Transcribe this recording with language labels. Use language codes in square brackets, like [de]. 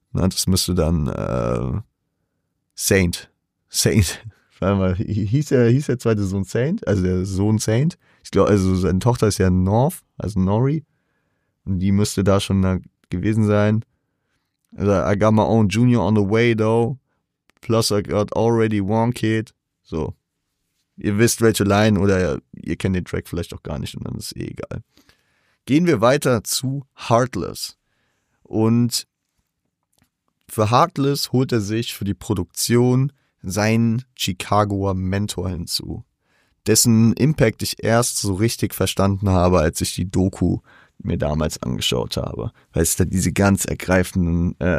[de] Na, das müsste dann Saint. Hieß der zweite Sohn Saint? Also der Sohn Saint? Ich glaube, also seine Tochter ist ja North, also Nori. Und die müsste da schon gewesen sein. Also [en] I got my own junior on the way though. plus I got already one kid. [de] So, ihr wisst welche Line oder ihr kennt den Track vielleicht auch gar nicht und dann ist es eh egal. Gehen wir weiter zu Heartless. Und für Heartless holt er sich für die Produktion seinen Chicagoer Mentor hinzu, dessen Impact ich erst so richtig verstanden habe, als ich die Doku mir damals angeschaut habe, weil es da diese ganz ergreifenden